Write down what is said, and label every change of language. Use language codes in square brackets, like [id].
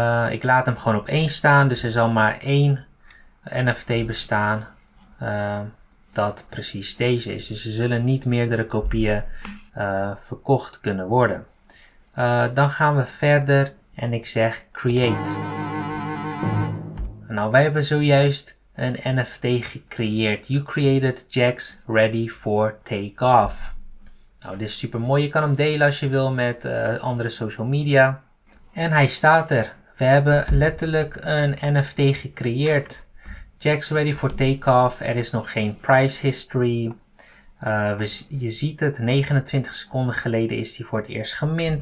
[nl] Ik laat hem gewoon op 1 staan, dus er zal maar 1 NFT bestaan dat precies deze is. Dus er zullen niet meerdere kopieën verkocht kunnen worden. Dan gaan we verder en ik zeg create. Nou, wij hebben zojuist een NFT gecreëerd. [en] You created Jax ready for takeoff. [nl] Nou, dit is super mooi. Je kan hem delen als je wil met andere social media. En hij staat er. We hebben letterlijk een NFT gecreëerd. Jax ready for takeoff. Er is nog geen price history. Je ziet het, 29 seconden geleden is hij voor het eerst gemint.